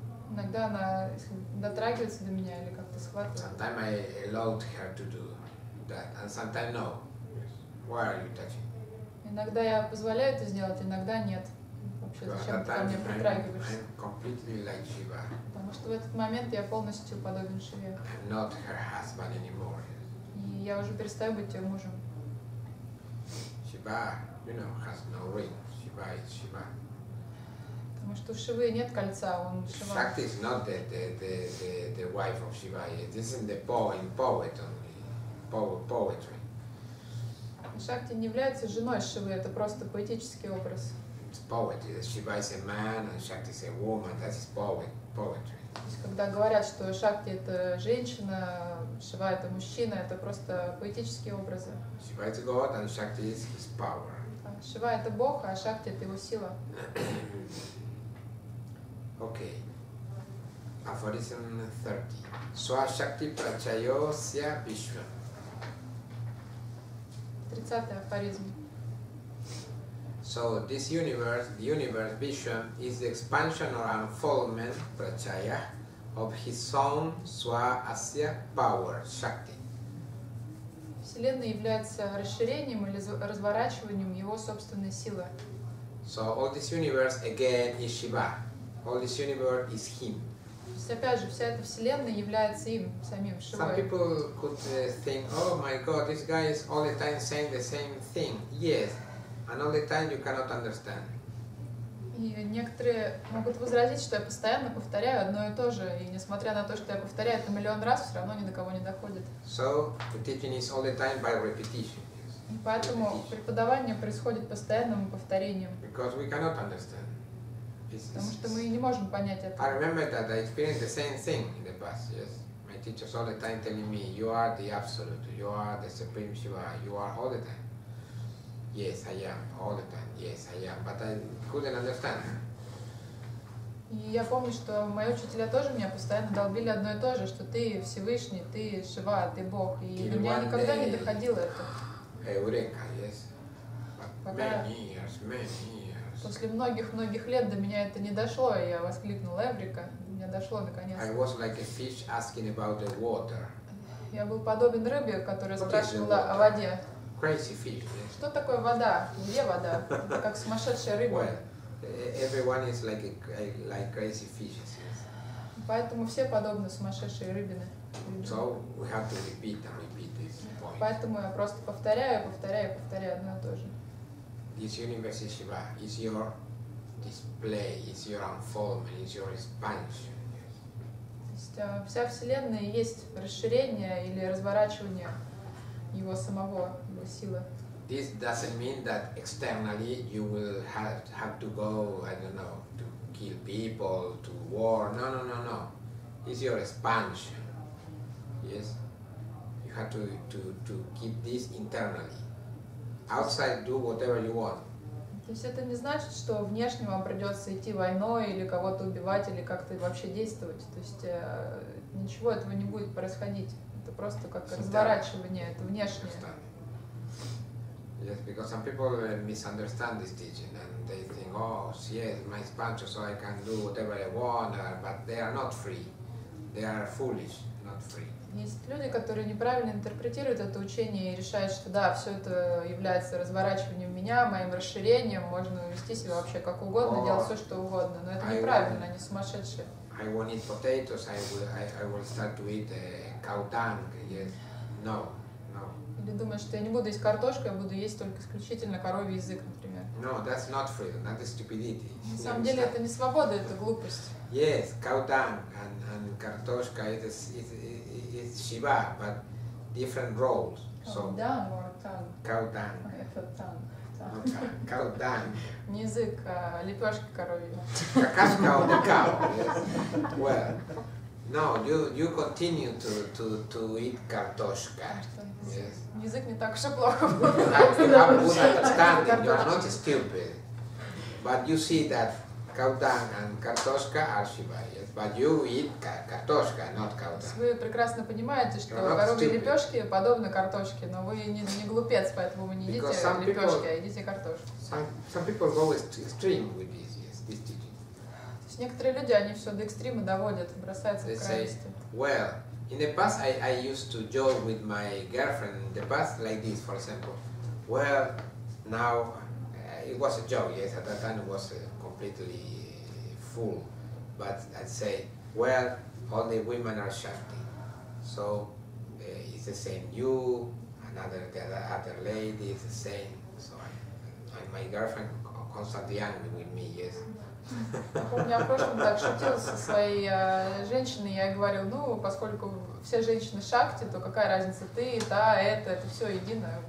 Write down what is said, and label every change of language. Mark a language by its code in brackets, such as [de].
[ru] Иногда она дотрагивается до меня или как-то схватывает. [en] Sometimes I allowed her to do that, and sometimes no. Yes. Why are you touching? [ru] Иногда я позволяю это сделать, иногда нет. Потому что в этот момент я полностью подобен Шиве. [en] I'm not her husband anymore. [ru] И я уже перестаю быть ее мужем. [en] Шива, you know, has no ring. Шива is Шива. [ru] Потому что у Шивы нет кольца, он Шива. [en] Shakti is not the wife of Shiva. This is the poet only. Poetry. [ru] Шакти не является женой Шивы, это просто поэтический образ. [en] It's poetry. Shiva is a man and Shakti is a woman. That is poetry. [ru] Когда говорят, что Шакти это женщина, Шива это мужчина, это просто поэтические образы. [en] Shiva is God and Shakti is his power. [ru] Шива это Бог, а Шакти это его сила. [en] Okay. Aphorism 30. [sa] Sva Shakti Prachayosya Vishwam. [ru] 30-й афоризм. [en] So this universe, the universe Vishwa, is the expansion or unfoldment, prachaya, of his own swa asya power, shakti. [ru] Вселенная является расширением или разворачиванием его собственной силы. [en] So all this universe again is Shiva. All this universe is him. [ru] То есть, опять же, вся эта вселенная является им самим Шивой. [en] Some people could think, oh my God, this guy is all the time saying the same thing. Yes. And all the time you cannot understand. [ru] И некоторые могут возразить, что я постоянно повторяю одно и то же, и несмотря на то, что я повторяю это миллион раз, все равно ни до кого не доходит. [en] So the teaching is all the time by repetition. [ru] И поэтому преподавание происходит постоянным повторением. [en] Because we cannot understand. [ru] Потому что мы не можем понять это. [en] I remember that I experienced the same thing in the past. Yes, my teachers all the time telling me, you are the absolute, you are the supreme Shiva, you are all the time. Yes, I am, all the time. Yes, I am, but I couldn't understand. [ru] И я помню, что мои учителя тоже меня постоянно долбили одно и то же, что ты Всевышний, ты Шива, ты Бог. И у меня никогда не доходило это. [en] Eureka, yes. Many years. [ru] После многих-многих лет до меня это не дошло, и я воскликнул Эврика, мне дошло наконец. [en] I was like a fish asking about the water. [ru] Я был подобен рыбе, которая спрашивала о воде. [en] Crazy fish. [ru] Что такое вода? Где вода? Как сумасшедшая рыба. [en] Well, everyone is like crazy fishes. [ru] Поэтому все подобны сумасшедшей рыбине. [en] So we have to repeat and repeat this point. [ru] Поэтому я просто повторяю одно и то же. [en] This universe is Shiva. It's your display. It's your unfoldment. It's your expansion. Yes. [ru] То есть вся вселенная есть расширение или разворачивание его самого, его силы. [en] This doesn't mean that externally you will have to go, I don't know, to kill people, to war. No. It's your expansion. Yes? You have to keep this internally. Outside, do whatever you want. [ru] То есть это не значит, что внешне вам придется идти войной или кого-то убивать, или как-то вообще действовать. То есть ничего этого не будет происходить. Это просто как разворачивание, это внешнее. [en] Yes, because some people misunderstand this teaching and they think, oh, yes, my expansion, so I can do whatever I want, but they are not free. They are foolish, not free. [ru] Есть люди, которые неправильно интерпретируют это учение и решают, что да, все это является разворачиванием меня, моим расширением, можно вести себя вообще как угодно, делать все, что угодно, но это неправильно, они сумасшедшие. [en] I won't eat potatoes, I will start to eat cow dung, yes, no. [ru] Или думаешь, что я не буду есть картошку, я буду есть только исключительно коровий язык, например. [en] No, that's not freedom, that is stupidity. [ru] На самом деле это не свобода, это глупость. [en] Yes, cow dung and [ru] картошка, [en] it's Shiva, but different roles. Cow dung or tongue? Cow dung. Cow dung. [ru] Не язык, а лепешки коровьи. Какашка [en] on the cow, yes. Well, no, you continue to eat [ru] картошка. [en] Yes. [ru] Язык не так уж и плохо. [en] You're not stupid, but you see that cow dung and [ru] картошка [en] are Shiva. Yes, but you eat [ru] картошка, [en] not cow dung. [ru] Вы прекрасно понимаете, что коровьи лепешки подобны картошке, но вы не глупец, поэтому вы не едите лепешки, а едите картошку. [en] Some people go extreme with this. Yes, this teaching. [ru] То есть некоторые люди они все до экстрима доводят, бросаются в крайности. [en] Well. In the past, I used to joke with my girlfriend in the past, like this, for example. Well, now, it was a joke, yes, at that time it was completely full. But I'd say, well, all the women are Shakti. So, it's the same you, the other lady is the same. So, my girlfriend constantly angry with me, yes. [ru] Помню, я в прошлом так шутил со своей женщиной, я говорил, ну, поскольку все женщины шакти, то какая разница, ты, та, это все едино.